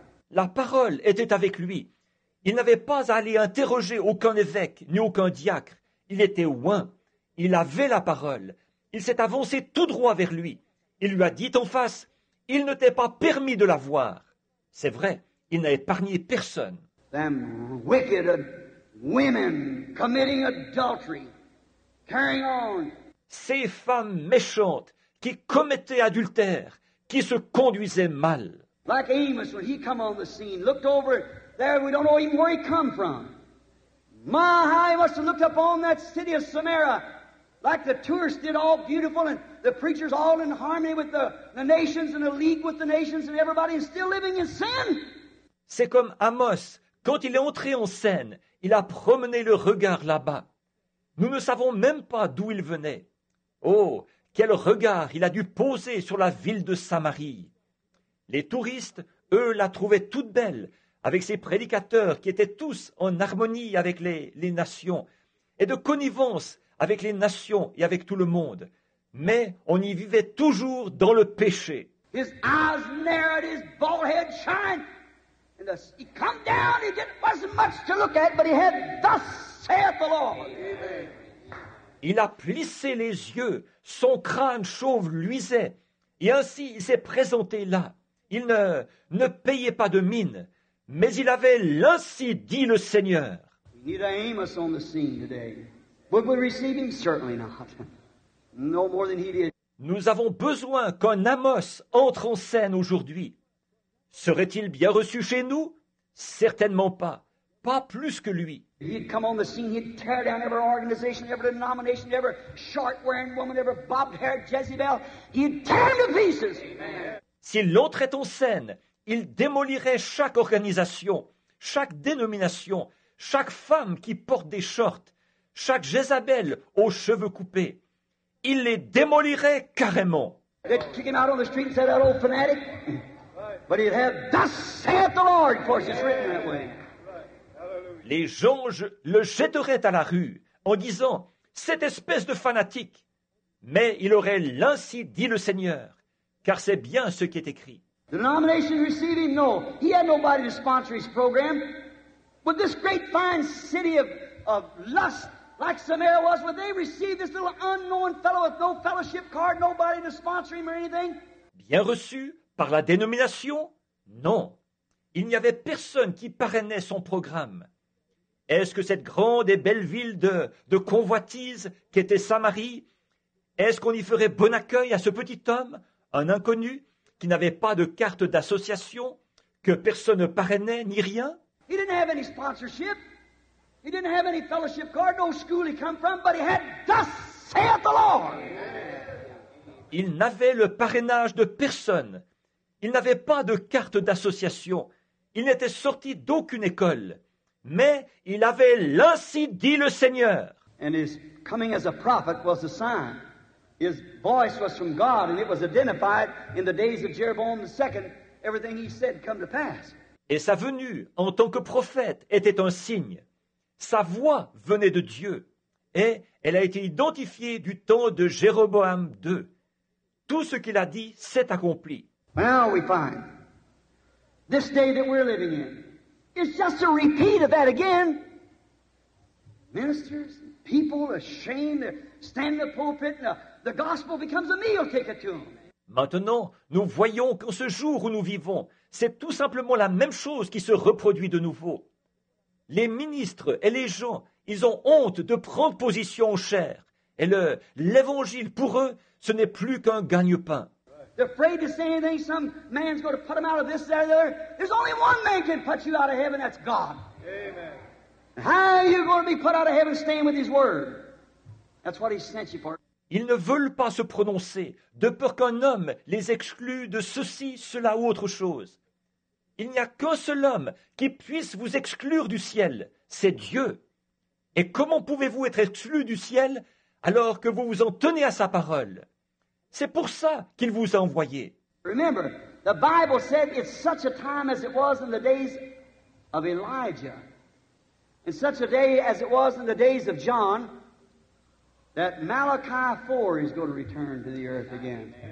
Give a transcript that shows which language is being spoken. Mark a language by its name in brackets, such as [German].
[French] La parole était avec lui. Il n'avait pas à aller interroger aucun évêque ni aucun diacre. Il était oint. Il avait la parole. Il s'est avancé tout droit vers lui. Il lui a dit en face, « Il ne t'est pas permis de la voir. » C'est vrai, il n'a épargné personne. [English] Them wicked women committing adultery, carrying on. [French] Ces femmes méchantes qui commettaient adultère, qui se conduisait mal. [English] Like Amos, when he come on the scene, looked over there, we don't know even where he come from. My, how he must have looked upon that city of Samaria, like the tourists did, all beautiful, and the preachers all in harmony with the nations, and a league with the nations, and everybody is still living in sin. [French] C'est comme Amos, quand il est entré en scène, il a promené le regard là-bas. Nous ne savons même pas d'où il venait. Oh! Quel regard il a dû poser sur la ville de Samarie. Les touristes, eux, la trouvaient toute belle, avec ses prédicateurs qui étaient tous en harmonie avec les nations, et de connivence avec les nations et avec tout le monde. Mais on y vivait toujours dans le péché. [English] His eyes narrowed, his bald head shined. And as he come down, he didn't wasn't much to look at, but he had thus saith the Lord. Amen. [French] Il a plissé les yeux, son crâne chauve luisait, et ainsi il s'est présenté là. Il ne payait pas de mine, mais il avait l'ainsi dit le Seigneur. [English] We need an Amos on the scene today. Would we receive him? Certainly not. No more than he did. [French] Nous avons besoin qu'un Amos entre en scène aujourd'hui. Serait-il bien reçu chez nous? Certainement pas. Pas plus que lui. [English] He'd come on the scene, he'd tear down every organization, every denomination, every short-wearing woman, every bobbed-haired Jezebel. He'd tear them to pieces. [French] S'il entrait en scène, il démolirait chaque organisation, chaque dénomination, chaque femme qui porte des shorts, chaque Jezabel aux cheveux coupés. Il les démolirait carrément. [English] They'd kick him out on the street and say, that old fanatic. But he'd have, thus saith the Lord, of course, it's written that way. [French] Les gens le jetteraient à la rue en disant, cette espèce de fanatique. Mais il aurait l'ainsi dit le Seigneur, car c'est bien ce qui est écrit. [English] The nomination received him? No. He had nobody to sponsor his program. But this great fine city of lust, like Samaria was, would they receive this little unknown fellow with no fellowship card, nobody to sponsor him or anything? [French] Bien reçu par la dénomination? Non. Il n'y avait personne qui parrainait son programme. Est-ce que cette grande et belle ville de convoitise qu'était Samarie, est-ce qu'on y ferait bon accueil à ce petit homme, un inconnu, qui n'avait pas de carte d'association, que personne ne parrainait ni rien? [English] He didn't have any sponsorship. He didn't have any fellowship card, no school he come from, but he had thus saith the Lord. [French] Il n'avait le parrainage de personne. Il n'avait pas de carte d'association. Il n'était sorti d'aucune école. Mais il avait l'ainsi dit le Seigneur. [English] And his coming as a prophet was a sign. His voice was from God, and it was identified in the days of Jeroboam II. Everything he said come to pass. [French] Et sa venue en tant que prophète était un signe. Sa voix venait de Dieu et elle a été identifiée du temps de Jéroboam II. Tout ce qu'il a dit s'est accompli. [English] Now we find this day that we're living in is just a repeat of that again. Ministers, people ashamed, they're standing in the pulpit and the gospel becomes a meal ticket to them. [French] Maintenant, nous voyons qu'en ce jour où nous vivons, c'est tout simplement la même chose qui se reproduit de nouveau. Les ministres et les gens, ils ont honte de prendre position aux chairs. Et l'évangile, pour eux, ce n'est plus qu'un gagne-pain. [English] They're afraid to say anything, some man's going to put them out of this, that, or the other. There's only one man can put you out of heaven, that's God. Amen. How are you going to be put out of heaven staying with his word? That's what he sent you for. [French] Ils ne veulent pas se prononcer, de peur qu'un homme les exclue de ceci, cela ou autre chose. Il n'y a qu'un seul homme qui puisse vous exclure du ciel, c'est Dieu. Et comment pouvez-vous être exclu du ciel alors que vous vous en tenez à sa parole? C'est pour ça qu'il vous a envoyé. [English] Remember, the Bible said it's such a time as it was in the days of Elijah, and such a day as it was in the days of John, that Malachi 4 is going to return to the earth again.